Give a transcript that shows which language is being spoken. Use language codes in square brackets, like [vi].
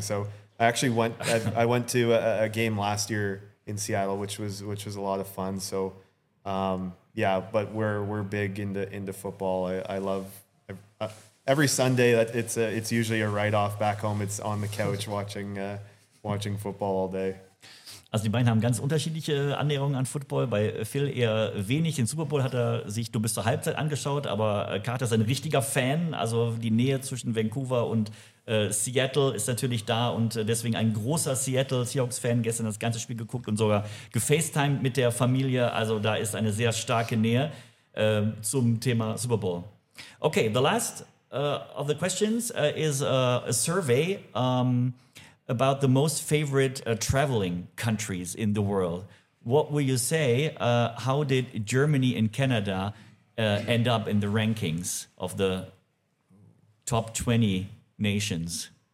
[en] So I actually went to a game last year in Seattle, which was a lot of fun. So but we're big into football. I love every Sunday that it's usually a write off back home. It's on the couch watching football all day. [de] Also die beiden haben ganz unterschiedliche Annäherungen an Football. Bei Phil eher wenig. Den Super Bowl hat er sich nur bis zur Halbzeit angeschaut, aber Carter ist ein richtiger Fan. Also die Nähe zwischen Vancouver und Seattle ist natürlich da und deswegen ein großer Seattle-Seahawks-Fan. Gestern das ganze Spiel geguckt und sogar gefacetimed mit der Familie. Also da ist eine sehr starke Nähe zum Thema Super Bowl. [en] Okay, the last of the questions is a survey about the most favorite traveling countries in the world. What will you say, how did Germany and Canada end up in the rankings of the top 20 nations?